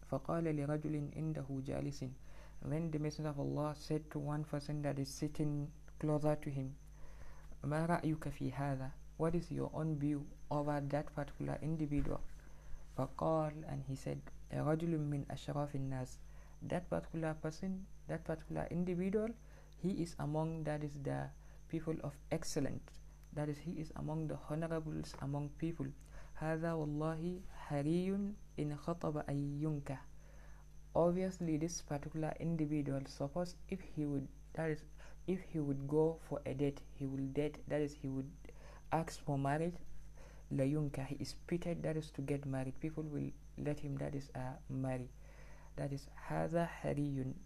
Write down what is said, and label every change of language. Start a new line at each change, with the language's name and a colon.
Arabic: فَقَالَ لِرَجُلٍ إِنْدَهُ جَالِسٍ
English: Then the Messenger of Allah said to one person that is sitting closer to him,
Arabic: مَا رَأْيُكَ فِي هَذَا
English: What is your own view over that particular individual? فَقَالَ And he said,
Arabic: رَجُلٌ مِّنْ أَشْرَافِ النَّاسِ
English: That particular person, that particular individual, he is among, that is the people of excellence. That is, he is among the honorables among people.
Arabic: هذا والله حري إن خطب أن ينكح.
English: Obviously, this particular individual, suppose if he would, that is, if he would go for a date, he will date. That is, he would ask for marriage.
Arabic: لا ينكح.
English: He is pitted. That is to get married. People will let him. That is, marry. That is,
Arabic: هذا حري.